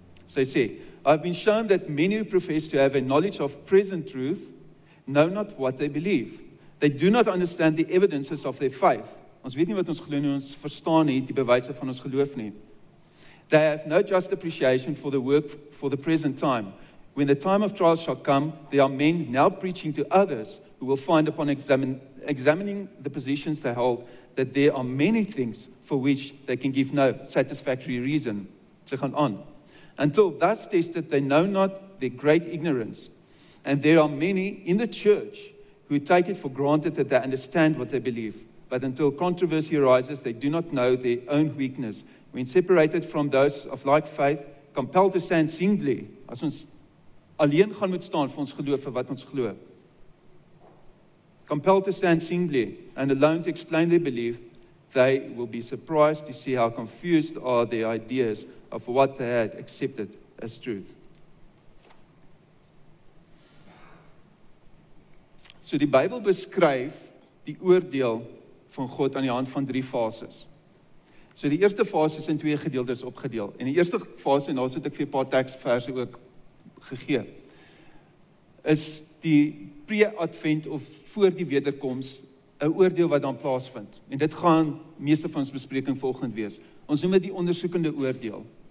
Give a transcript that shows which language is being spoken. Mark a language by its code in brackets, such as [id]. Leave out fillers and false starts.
[af] Sy sê, [en] I've been shown that many who profess to have a knowledge of present truth know not what they believe. They do not understand the evidences of their faith. [af] Ons weet nie wat ons glo nie, ons verstaan nie die bewyse van ons geloof nie. [en] They have no just appreciation for the work for the present time. When the time of trial shall come, there are men now preaching to others who will find upon examining the positions they hold that there are many things for which they can give no satisfactory reason. To go on. Until thus tested, they know not their great ignorance. And there are many in the church who take it for granted that they understand what they believe. But until controversy arises, they do not know their own weakness. When separated from those of like faith, compelled to stand singly, [af] as ons alleen gaan moet staan vir ons geloof, vir wat ons glo. [en] Compelled to stand singly and alone to explain their belief, they will be surprised to see how confused are their ideas of what they had accepted as truth. [af] So die Bybel beskryf die oordeel van God aan die hand van 3 fases. So die eerste fase is in twee gedeeltes opgedeel. En die eerste fase, en daarso het ek vir 'n paar teksverse ook gegee, is die pre-advent of voor die wederkoms 'n oordeel wat dan plaasvind. En dit gaan meeste van ons bespreking volgend wees. Ons noem dit die ondersoekende oordeel.